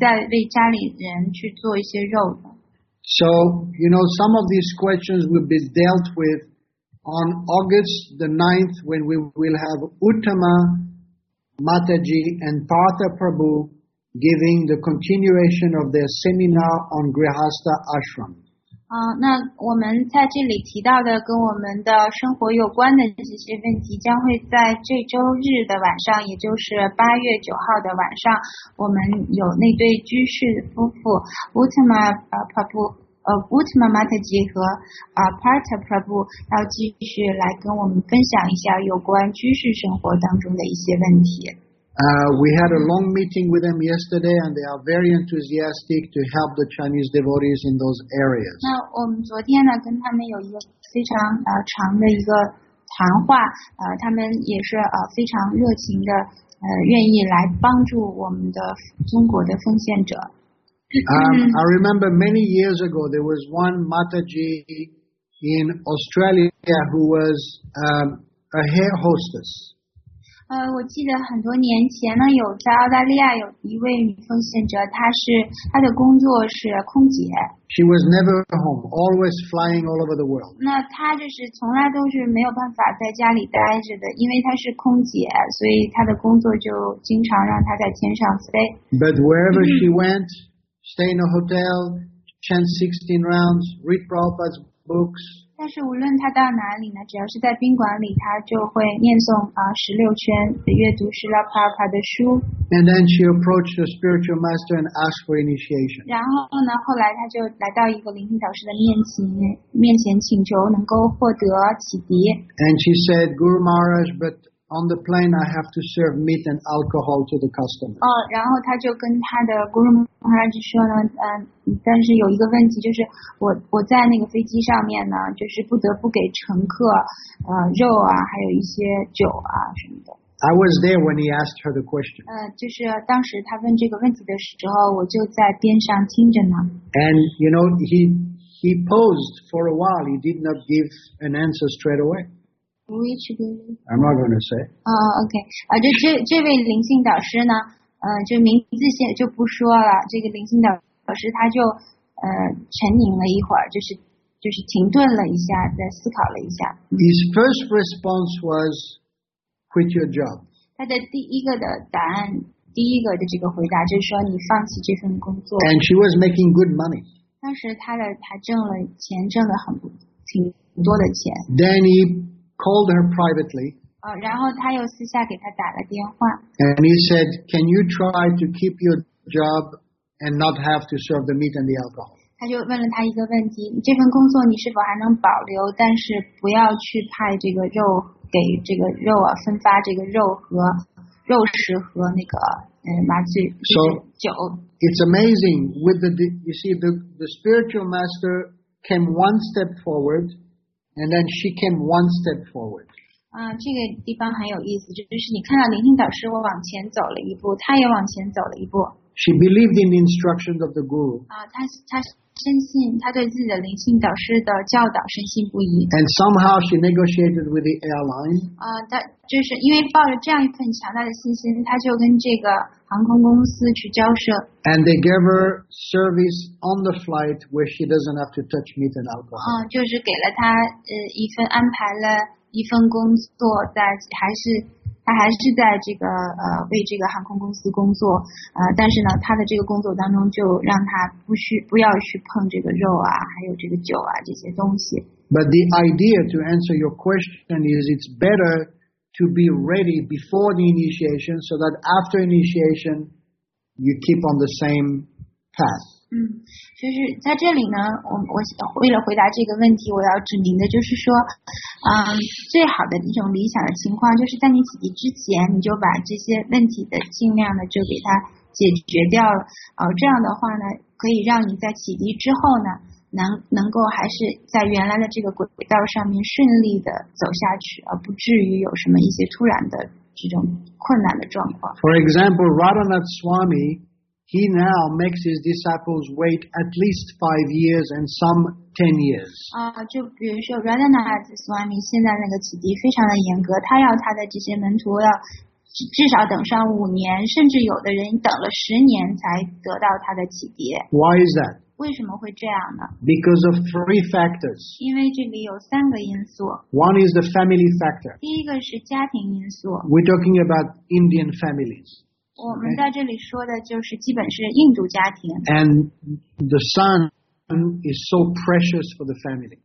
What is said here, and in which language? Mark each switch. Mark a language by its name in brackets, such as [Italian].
[Chinese] 所以呢，这个其实就是又反射到这个灵性导师那里去了。就是灵性导师在启迪这个门徒的时候，是否意识到了，他是男门徒或者女门徒，还在为家里人去做一些肉。 [English] So, you know, some of these questions will be dealt with On August the 9th, when we will have Uttama, Mataji, and Partha Prabhu giving the continuation of their seminar on Grihastha Ashram. [Chinese] 那我们在这里提到的跟我们的生活有关的这些问题将会在这周日的晚上也就是8月9号的晚上我们有那对居士夫妇 Uttama Prabhu Uttama Mataji 和 Partha Prabhu 要继续来跟我们分享一下有关居士生活当中的一些问题。 [English] We had a long meeting with them yesterday, and they are very enthusiastic to help the Chinese devotees in those areas. [Chinese] 那我们昨天呢，跟他们有一个非常长的一个谈话，他们也是非常热情的，愿意来帮助我们的中国的奉献者。 [English] I remember many years ago there was one Mataji in Australia who was a hair hostess. [Chinese] 我记得很多年前呢，有在澳大利亚有一位女奉献者，她的工作是空姐。 [English] She was never home, always flying all over the world. [Chinese] 那她就是从来都是没有办法在家里待着的，因为她是空姐，所以她的工作就经常让她在天上飞。 [English] But wherever she went, stay in a hotel, chant 16 rounds, read Prabhupada's books. [Chinese] 但是无论他到哪里呢，只要是在宾馆里，他就会念诵十六圈，阅读十六帕帕的书。 [English] And then she approached the spiritual master and asked for initiation. [Chinese] 然后呢，后来他就来到一个灵性导师的面前，请求能够获得启迪。 [English] And she said, Guru Maharaj, but on the plane I have to serve meat and alcohol to the customers. [Chinese] 然后他就跟他的 Guru Maharaj 说呢，但是有一个问题，就是我在那个飞机上面呢，就是不得不给乘客肉啊，还有一些酒啊什么的。 [English] I was there when he asked her the question. [Chinese] 就是当时他问这个问题的时候，我就在边上听着呢。 [English] And you know, he paused for a while. He did not give an answer straight away. Which one? I'm not going to say. Okay. [Chinese] 这位灵性导师呢，就名字先就不说了。这个灵性导师。可是他就沉吟了一会儿，就是停顿了一下，再思考了一下。 [English] His first response was, "Quit your job." [Chinese] 他的第一个的答案，第一个的这个回答就是说，你放弃这份工作。 [English] And she was making good money. [Chinese] 当时他挣了钱，挣了挺多的钱。 [English] Then he called her privately. [Chinese] 然后他又私下给他打了电话。 [English] And he said, "Can you try to keep your job?" And not have to serve the meat and the alcohol. [Chinese] 他就问了他一个问题：这份工作你是否还能保留？但是不要去派这个肉给这个肉分发这个肉和肉食和那个麻醉酒。 [English] It's amazing. With the spiritual master came one step forward, and then she came one step forward. [Chinese] 这个地方很有意思，就是你看到灵性导师往前走了一步，他也往前走了一步。 [English] She believed in the instructions of the guru. [Chinese] 她深信，她对自己的灵性导师的教导深信不疑。 [English] And somehow she negotiated with the airline. [Chinese] 她就是因为抱着这样一份强大的信心，她就跟这个航空公司去交涉。 [English] And they gave her service on the flight where she doesn't have to touch meat and alcohol. [Chinese] 就是给了她一份安排了一份工作，他还是在这个为这个航空公司工作，但是呢，他的这个工作当中就让他不要去碰这个肉啊，还有这个酒啊这些东西。 [English] But the idea to answer your question is it's better to be ready before the initiation so that after initiation you keep on the same path. [Chinese] 就是在这里呢，我为了回答这个问题，我要指明的就是说。最好的一种理想的情况就是在你启迪之前，你就把这些问题的尽量的就给它解决掉了。这样的话呢，可以让你在启迪之后呢，能够还是在原来的这个轨道上面顺利的走下去，而不至于有什么一些突然的这种困难的状况。 [English] For example, Radhanath Swami, he now makes his disciples wait at least 5 years and some. 10 years. [Chinese] 就比如说 Radhanath Swami 现在那个启迪非常的严格，他要他的这些门徒要至少等上5年，甚至有的人等了10年才得到他的启迪。 [English] Why is that? [Chinese] 为什么会这样呢？ [English] Because of three factors. [Chinese] 因为这里有三个因素。 [English] One is the family factor. [Chinese] 第一个是家庭因素。 [English] We're talking about Indian families. [Chinese] 我们在这里说的就是基本是印度家庭。 [English] And the son is so precious for the family.